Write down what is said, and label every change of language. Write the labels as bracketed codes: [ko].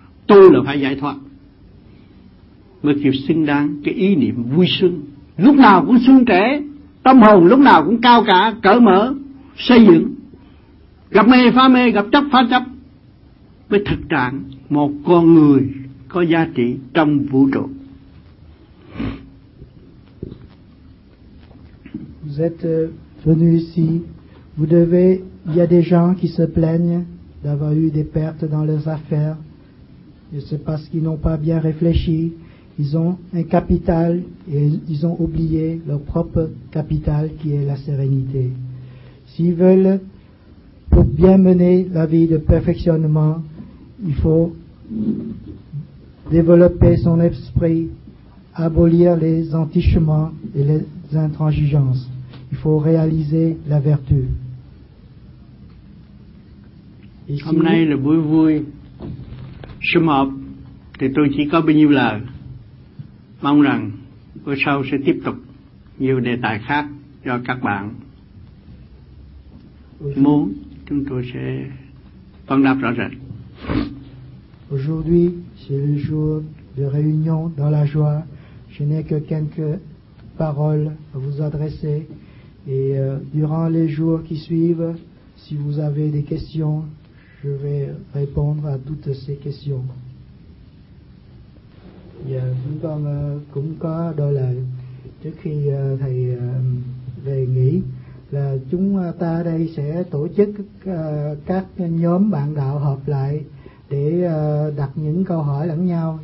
[vi] Tôi là phải giải thoát mới kịp xứng đáng cái ý niệm vui sung, lúc nào cũng xuân trẻ, tâm hồn lúc nào cũng cao cả, cởi mở, xây dựng, gặp mê, gặp chấp phá chấp, với thực trạng một con người có giá trị trong vũ trụ. [fr] Vous êtes venu ici, vous devez, il y a des gens qui se plaignent d'avoir eu des pertes dans leurs affaires, et c'est parce qu'ils n'ont pas bien réfléchi, ils ont un capital et ils ont oublié leur propre capital qui est la sérénité. S'ils veulent, pour bien mener la vie de perfectionnement, il faut développer son esprit, abolir les entichements et les intransigences. Il faut réaliser la vertu. Ici, [vi] hôm nay là buổi vui, sum họp, thì tôi chỉ có bao nhiêu lời, mong rằng buổi sau sẽ tiếp tục nhiều đề tài khác cho các bạn. Muốn chúng tôi sẽ phân đáp rõ rệt. [fr] Aujourd'hui, c'est le jour de réunion dans la joie. Je n'ai que quelques paroles à vous adresser. Et durant les jours qui suivent, si vous avez des questions, je vais répondre à toutes ces questions. [vi] Dạ, chúng con cũng có đôi lời trước khi thầy về nghỉ, là chúng ta đây sẽ tổ chức các nhóm bạn đạo họp lại để đặt những câu hỏi lẫn nhau.